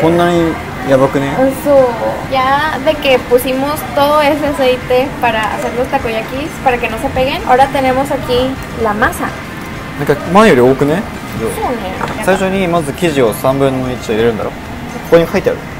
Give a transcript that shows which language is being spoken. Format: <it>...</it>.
<ja>こんなにやばくね。そう。</ja> <es>Ya de que pusimos todo ese aceite para hacer los takoyakis para que no se peguen. Ahora tenemos aquí la masa.</es> <ja>なんか前より多くね。そうね。最初にまず生地を3分の1入れるんだろ。ここに書いてある。</ja>